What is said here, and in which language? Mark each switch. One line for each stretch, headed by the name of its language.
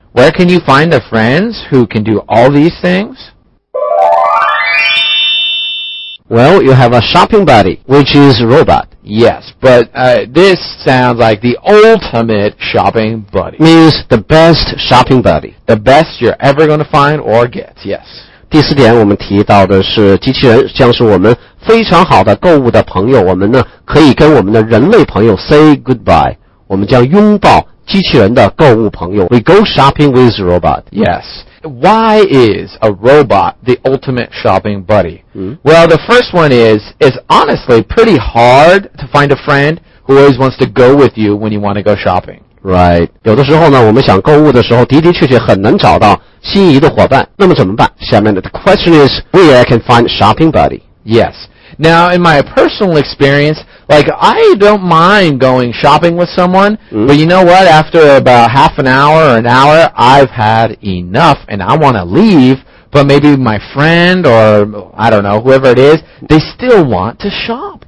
English: Where can you find the friends who can do all these things? Well, you have a shopping buddy, which is robot. Yes, but this sounds like the ultimate shopping buddy. Means the best shopping buddy. The best you're ever going to find or get, yes.
Chinese: 第四点我们提到的是机器人将是我们非常好的购物的朋友。我们呢可以跟我们的人类朋友
English: say goodbye.
Chinese: 我们将拥抱机器人的购物朋友。
English: We go shopping with robot. Yes. Why is a robot the ultimate shopping buddy?、 Mm-hmm. Well, the first one is, it's honestly pretty hard to find a friend who always wants to go with you when you want to go shopping. Right.
Chinese: 有的时候呢，我们想购物的时候，的的确确很难找到心仪的伙伴。那么怎么办？下面的
English: the question is, where I can find a shopping buddy? Yes. Now, in my personal experience, like, I don't mind going shopping with someone,、 mm-hmm. but you know what? After about half an hour or an hour, I've had enough and I want to leave, but maybe my friend or, I don't know, whoever it is, they still want to shop.